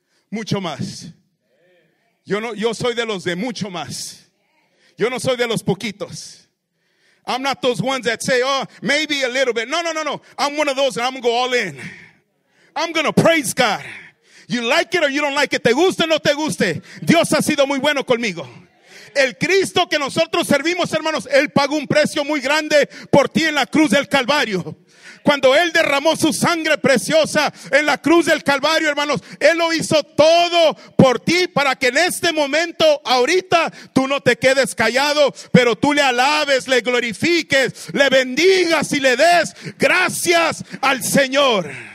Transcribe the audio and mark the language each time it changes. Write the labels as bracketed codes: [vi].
[es] mucho más. Yo no, yo soy de los de mucho más. Yo no soy de los poquitos. [en] I'm not those ones that say, oh, maybe a little bit. No. I'm one of those and I'm going to go all in. I'm going to praise God. You like it or you don't like it. [es] Te guste o no te guste. Dios ha sido muy bueno conmigo. El Cristo que nosotros servimos, hermanos, Él pagó un precio muy grande por ti en la cruz del Calvario. Cuando Él derramó su sangre preciosa en la cruz del Calvario, hermanos, Él lo hizo todo por ti para que en este momento, ahorita, tú no te quedes callado, pero tú le alabes, le glorifiques, le bendigas y le des gracias al Señor.